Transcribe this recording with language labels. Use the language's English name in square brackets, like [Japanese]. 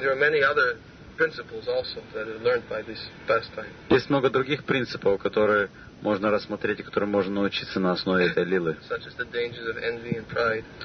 [English] There are many other principles also that are learned by this pastime. [Russian] Есть много других принципов, которые можно рассмотреть и которым можно научиться на основе этой лилы. [English] Such as the dangers of envy and pride.